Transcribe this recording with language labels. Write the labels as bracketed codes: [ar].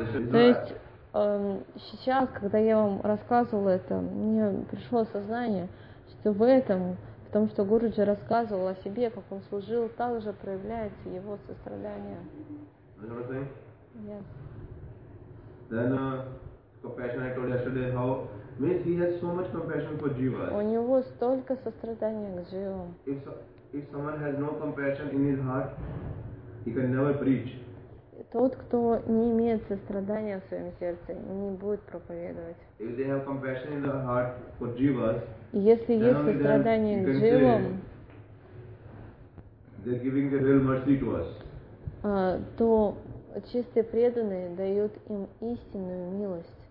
[ru] То есть сейчас, когда я вам рассказывала это, мне пришло сознание, что в этом, в том, что Гуруджи рассказывал о себе, как он служил, также проявляется его сострадание. [en] Yes. Then, compassion I told yesterday how means he has so much compassion for jivas. [ru] У него столько сострадания к живым. [en] If someone has no compassion in his heart, he can never preach. [ru] Тот, кто не имеет сострадания в своем сердце, не будет проповедовать. [en] If they have compassion in their heart for jivas, [ru] если есть сострадание к живым, [en] they're giving the real mercy to us. [ru] То чистые преданные дают им истинную милость.